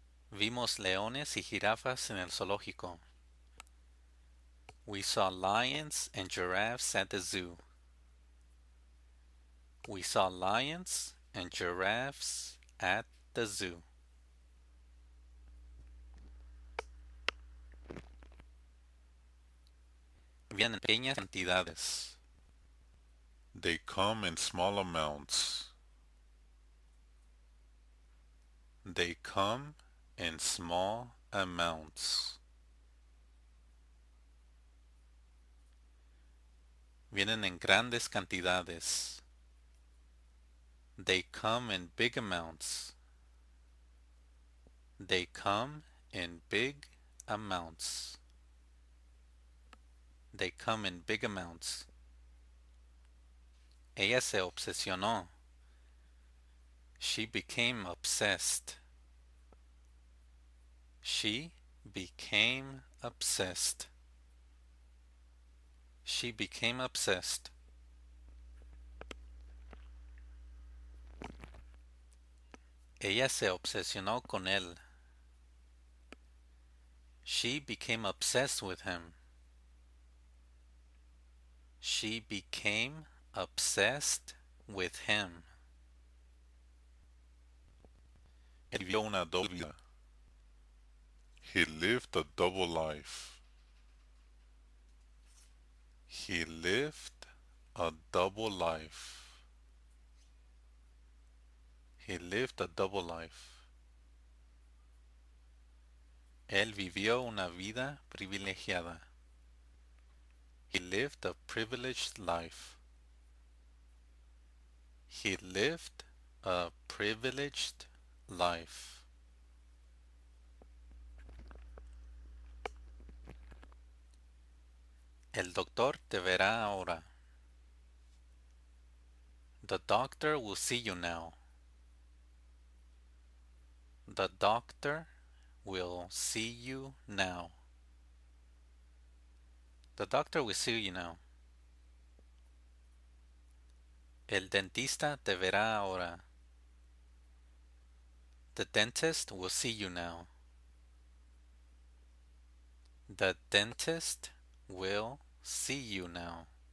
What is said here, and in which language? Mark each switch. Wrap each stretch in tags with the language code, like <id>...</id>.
<es>Vimos leones y jirafas en el zoológico.</es> <en>We saw lions and giraffes at the zoo. We saw lions and giraffes at the zoo.</en> <es>Vienen en pequeñas cantidades.</es> <en>They come in small amounts. They come in small amounts.</en> <es>Vienen en grandes cantidades.</es> <en>They come in big amounts. They come in big amounts. They come in big amounts.</en> <es>Ella se obsesionó.</es> <en>She became obsessed. She became obsessed. She became obsessed.</en> <es>Ella se obsesionó con él.</es> <en>She became obsessed with him. She became obsessed with him.</en> <es>Él vivió una doble vida.</es> <en>He lived a double life. He lived a double life. He lived a double life.</en> <es>Él vivió una vida privilegiada.</es> <en>He lived a privileged life. He lived a privileged life.</en> <es>El doctor te verá ahora.</es> <en>The doctor will see you now. The doctor will see you now. The doctor will see you now.</en> <es>El dentista te verá ahora.</es> <en>The dentist will see you now. The dentist will see you now.</en>